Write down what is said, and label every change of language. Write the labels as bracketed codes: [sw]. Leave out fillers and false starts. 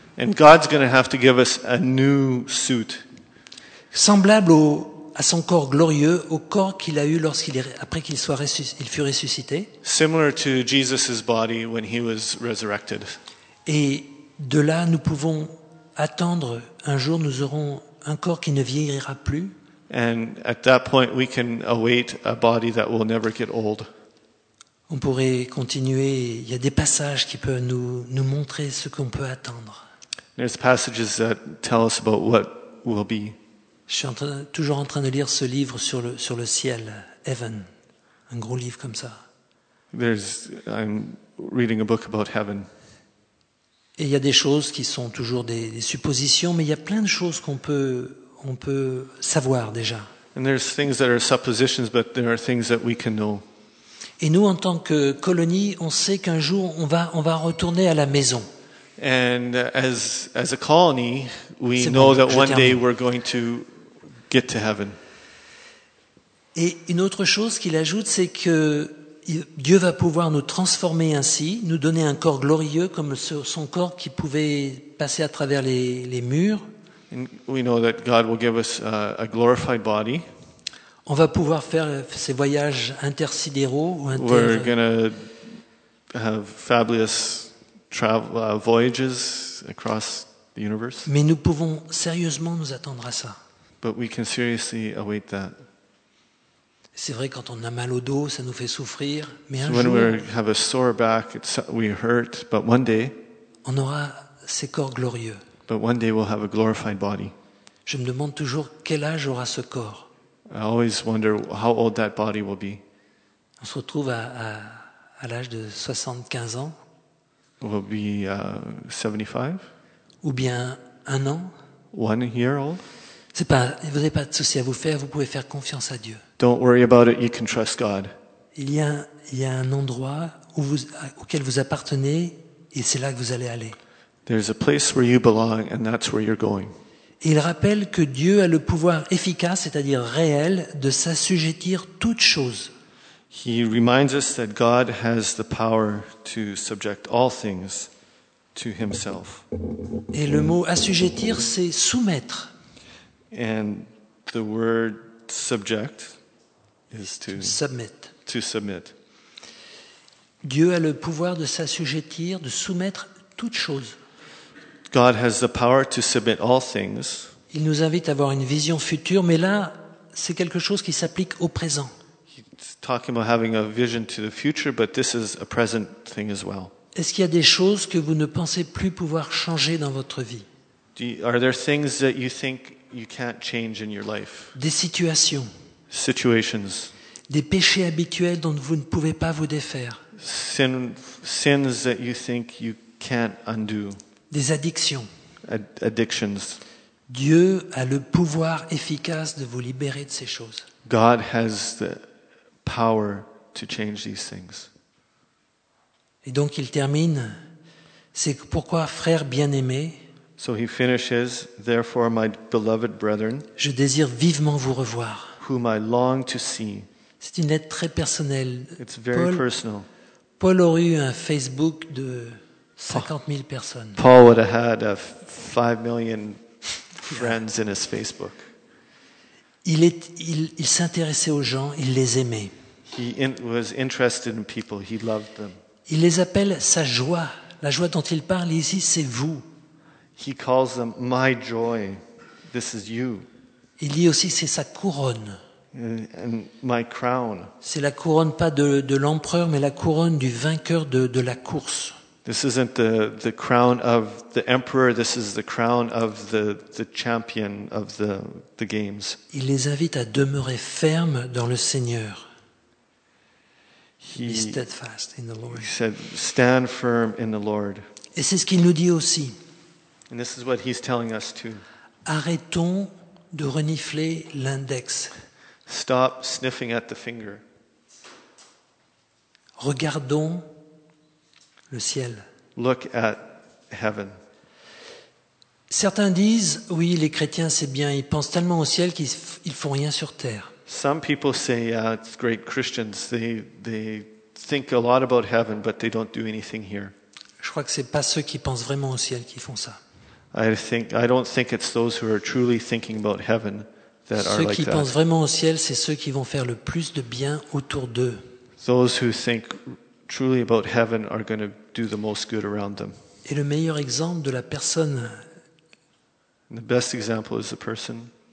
[en] And God's going to have to give us a new suit. [fr] Semblable à son corps glorieux, au corps qu'il a eu après qu'il fut ressuscité. [en] Similar to Jesus's body when he was resurrected. [fr] Et de là, nous pouvons attendre un jour, nous aurons un corps qui ne vieillira plus. [en] And at that point, we can await a body that will never get old. [fr] On pourrait continuer. Il y a des passages qui peuvent nous montrer ce qu'on peut attendre. [en] There's passages that tell us about what will be. [fr] Je suis toujours en train de lire ce livre sur le ciel, Heaven, un gros livre comme ça. [en] I'm reading a book about heaven. [fr] Et il y a des choses qui sont toujours des suppositions, mais il y a plein de choses qu'on peut savoir déjà. [en] And there's things that are suppositions, but there are things that we can know. [fr] Et nous, en tant que colonie, on sait qu'un jour on va retourner à la maison. [en] And as a colony, we know that one day we're going to get to heaven. [fr] Et une autre chose qu'il ajoute, c'est que Dieu va pouvoir nous transformer ainsi, nous donner un corps glorieux comme son corps qui pouvait passer à travers les murs. [en] And we know that God will give us a glorified body. [fr] On va pouvoir faire ces voyages intersidéraux ou inter. [en] We're going to have fabulous voyages across the universe. [fr] Mais nous pouvons sérieusement nous attendre à ça. [en] But we can seriously await that. [fr] C'est vrai, quand on a mal au dos, ça nous fait souffrir. Mais un [en] so [fr] jour, [en] when we have a sore back, we hurt. But one day, [fr] on aura ces corps glorieux. [en] But one day we'll have a glorified body. [fr] Je me demande toujours quel âge aura ce corps. [en] I always wonder how old that body will be. [fr] On se retrouve à l'âge de 75 ans. [en] We'll be 75. [fr] Ou bien un an. [en] One year old. [fr] C'est pas, vous n'avez pas de souci à vous faire, vous pouvez faire confiance à Dieu. [en] Don't worry about it, you can trust God. [fr] Il y a un endroit auquel vous appartenez et c'est là que vous allez aller. [en] There's a place where you belong and that's where you're going. [fr] Et il rappelle que Dieu a le pouvoir efficace, c'est-à-dire réel, de s'assujettir toutes choses. [en] He reminds us that God has the power to subject all things to himself. [fr] Et le mot assujettir, c'est soumettre. [en] And the word subject is to submit. [fr] Dieu a le pouvoir de s'assujettir, de soumettre toutes choses. [en] God has the power to submit all things. [fr] Il nous invite à avoir une vision future, mais là, c'est quelque chose qui s'applique au présent. [en] He's talking about having a vision to the future, but this is a present thing as well. [fr] Est-ce qu'il y a des choses que vous ne pensez plus pouvoir changer dans votre vie? [en] Are there things that you think you can't change in your life? [fr] Des situations. [en] Situations. [fr] Des péchés habituels dont vous ne pouvez pas vous défaire. [en] Sins that you think you can't undo. [fr] Des addictions. [en] Addictions. [fr] Dieu a le pouvoir efficace de vous libérer de ces choses. [en] God has the power to change these things. [fr] Et donc il termine, c'est pourquoi frères bien-aimés, [en] so he finishes, therefore my beloved brethren, [fr] je désire vivement vous revoir. [en] Whom I long to see. [fr] C'est une lettre très personnelle. [en] It's very personal. [fr] Paul aurait eu un Facebook de 50 000 personnes. [en] Paul would have had a 5 million friends in his Facebook. [fr] Il s'intéressait aux gens, il les aimait. [en] He was interested in people, he loved them. [fr] Il les appelle sa joie. La joie dont il parle ici, c'est vous. [en] He calls them my joy. This is you. [fr] Il dit aussi c'est sa couronne. [en] And my crown. [fr] C'est la couronne pas de l'empereur mais la couronne du vainqueur de la course. [en] This isn't the crown of the emperor, this is the crown of the champion of the games. [fr] Il les invite à demeurer fermes dans le Seigneur. [en] Be steadfast in the Lord. He said, stand firm in the Lord. [fr] Et c'est ce qu'il nous dit aussi. [en] And this is what he's telling us too. [fr] Arrêtons de renifler l'index. [en] Stop sniffing at the finger. [fr] Regardons le ciel. [en] Look at heaven. [fr] Certains disent, oui, les chrétiens, c'est bien, ils pensent tellement au ciel qu'ils font rien sur terre. [en] Some people say, yeah, it's great Christians, they think a lot about heaven, but they don't do anything here. [fr] Je crois que c'est pas ceux qui pensent vraiment au ciel qui font ça. [en] I don't think it's those who are truly thinking about heaven. [fr] Ceux qui pensent vraiment au ciel, c'est ceux qui vont faire le plus de bien autour d'eux. [en] Those who think truly about heaven are going to do the most good around them. [fr] Et le meilleur exemple de la personne. [en] The best example is the person.